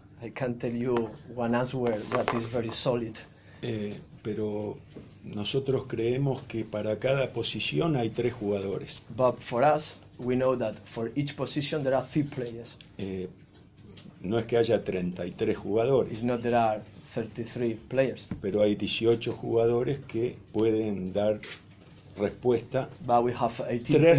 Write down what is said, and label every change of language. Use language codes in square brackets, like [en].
[en] I can't tell you one answer that is very solid. [es] Pero nosotros creemos que para cada posición hay tres jugadores. [en] But for us, we know that for each position there are three players. [es] No es que haya 33 jugadores. [en] It's not there are 33 players. [es] Pero hay 18 jugadores que pueden dar respuesta. [en] But we have 18 [es] tres